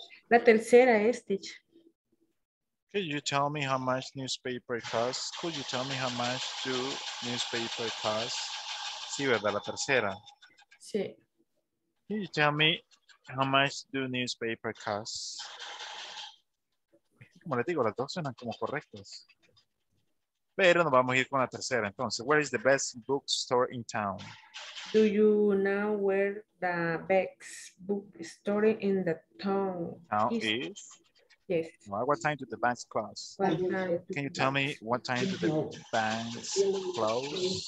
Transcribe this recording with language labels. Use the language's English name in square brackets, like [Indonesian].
[Spanish] La tercera es, teacher. [English] Could you tell me how much newspaper costs? Could you tell me how much do newspaper cost? [Spanish] Sí, ¿verdad? La tercera. Sí. [English] Could you tell me how much do newspaper cost? [Spanish] Como les digo, las dos suenan como correctas. Pero nos vamos a ir con la tercera. [English] Entonces, where is the best bookstore in town? Do you know where the best bookstore in the town is? Yes. Well, what time do the banks close? Can you tell me what time do the banks close?